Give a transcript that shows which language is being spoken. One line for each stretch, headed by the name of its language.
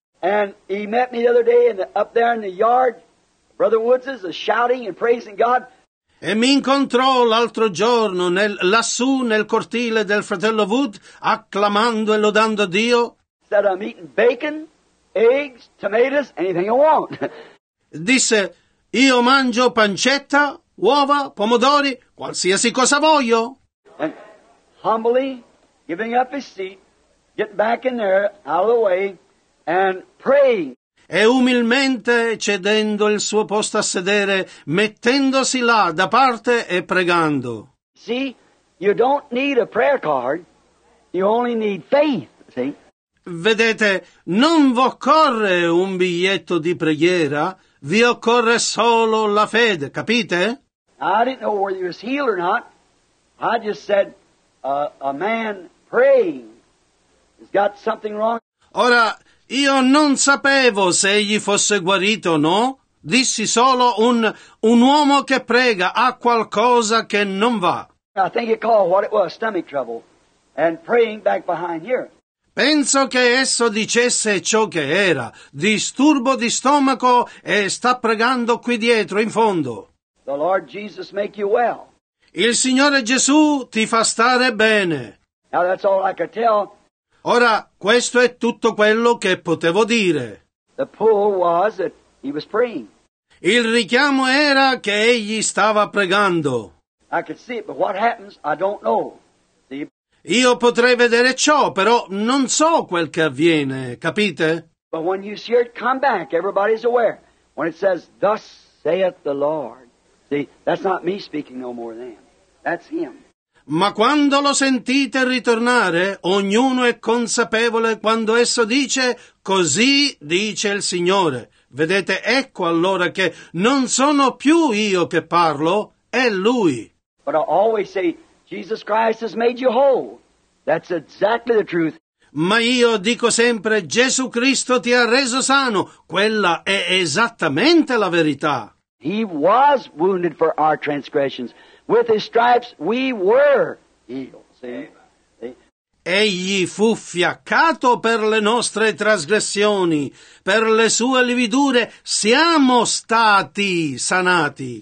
English: And he met me the other day in the, up there in the yard, Brother Woods is shouting and praising God.
Italian: E mi incontrò l'altro giorno lassù nel cortile del fratello Wood, acclamando e lodando Dio.
English: Said I'm eating bacon, eggs, tomatoes, anything I want.
Italian: Disse io mangio pancetta, uova, pomodori, qualsiasi cosa voglio.
English: And humbly giving up his seat, getting back in there, out of the way, and praying.
Italian: E umilmente cedendo il suo posto a sedere, mettendosi là da parte e pregando.
English: See, you don't need a prayer card, you only need faith, see?
Italian: Vedete, non vi occorre un biglietto di preghiera, vi occorre solo la fede, capite?
English: I didn't know whether he was healed or not. I just said, a man praying has got something wrong.
Italian: Ora, io non sapevo se egli fosse guarito o no. Dissi solo un uomo che prega ha qualcosa che non va.
English: I think you call what it was, stomach trouble, and praying back behind here.
Italian: Penso che esso dicesse ciò che era, disturbo di stomaco e sta pregando qui dietro, in fondo.
English: The Lord Jesus make you well.
Italian: Il Signore Gesù ti fa stare bene.
English: Now that's all I could tell.
Italian: Ora, questo è tutto quello che potevo dire.
English: The pull was that he was praying.
Italian: Il richiamo era che egli stava pregando.
English: I could see it, but what happens, I don't know.
Italian: Io potrei vedere ciò, però non so quel che avviene, capite?
English: But when you see it come back, everybody's aware. When it says, thus saith the Lord. See, that's not me speaking no more then. That's him.
Italian: Ma quando lo sentite ritornare, ognuno è consapevole quando esso dice, così dice il Signore. Vedete, ecco allora che non sono più io che parlo, è Lui.
English: But I always say, Jesus Christ has made you whole. That's exactly the truth.
Italian: Ma io dico sempre, Gesù Cristo ti ha reso sano. Quella è esattamente la verità.
English: He was wounded for our transgressions. With his stripes we were healed. See?
Italian: Egli fu fiaccato per le nostre trasgressioni. Per le sue lividure siamo stati sanati.